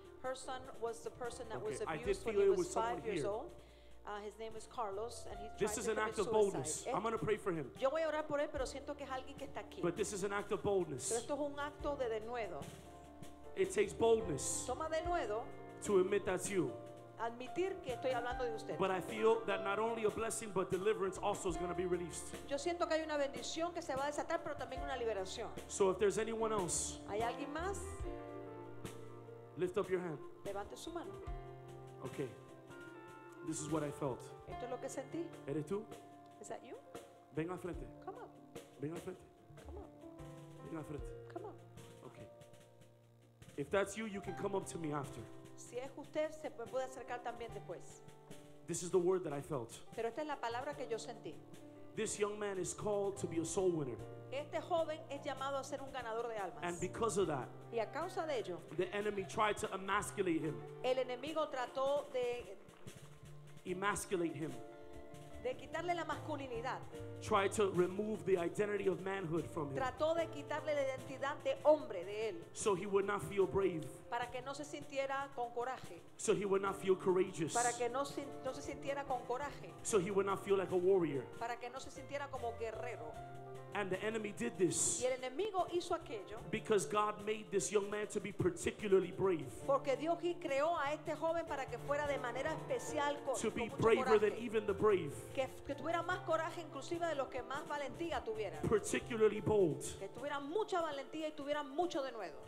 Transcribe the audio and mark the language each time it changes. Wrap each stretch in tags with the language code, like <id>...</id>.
<en>Her son was the person that was abused when he was 5 years old. His name is Carlos, and he's this is an act of boldness. I'm going to pray for him.</en> <es>Yo voy a orar por él, pero siento que es alguien que está aquí.</es> <en>But this is an act of boldness.</en> <es>Pero esto es un acto de denuedo.</es> <en>It takes boldness.</en> <es>Toma de nuevo</es> <en>to admit that's you.</en> <es>Admitir que estoy hablando de usted.</es> <en>But I feel that not only a blessing, but deliverance also is going to be released.</en> <es>Yo siento que hay una bendición que se va a desatar, pero también una liberación.</es> <en>So if there's anyone else,</en> <es>¿hay alguien más?</es> <en>Lift up your hand.</en> <es>Levante su mano.</es> <en>Okay. This is what I felt.</en> <es>Esto es lo que sentí. ¿Eres tú?</es> <en>Is that you?</en> <es>Ven al frente.</es> <en>Come on.</en> <es>Ven al frente.</es> <en>Come on.</en> <es>Ven al frente.</es> <en>Come on. If that's you, you can come up to me after.</en> <es>Si es usted, se puede acercar también después.</es> <en>This is the word that I felt.</en> <es>Pero esta es la palabra que yo sentí.</es> <en>This young man is called to be a soul winner.</en> <es>Este joven es llamado a ser un ganador de almas.</es> <en>And because of that,</en> <es>y a causa de ello,</es> <en>the enemy tried to emasculate him.</en> <es>El enemigo trató de</es> <en>emasculate him.</en> <es>De quitarle la masculinidad.</es> <en>Tried to remove the identity of manhood from him.</en> <es>Trató de quitarle la identidad de hombre de él.</es> <en>So he would not feel brave.</en> <es>Para que no se sintiera con coraje.</es> <en>So he would not feel courageous.</en> <es>Para que no se sintiera con coraje.</es> <en>So he would not feel like a warrior.</en> <es>Para que no se sintiera como guerrero.</es> <en>And the enemy did this.</en> <es>Y el enemigo hizo aquello.</es> <en>Because God made this young man to be particularly brave.</en> <es>Porque Dios creó a este joven para que fuera de manera especial con</es> <en>to be braver than even the brave.</en> <es>Que tuviera más coraje inclusive de los que más valentía tuvieran.</es> <en>Particularly bold.</en> <es>Que tuviera mucha valentía y tuviera mucho de nuevo.</es>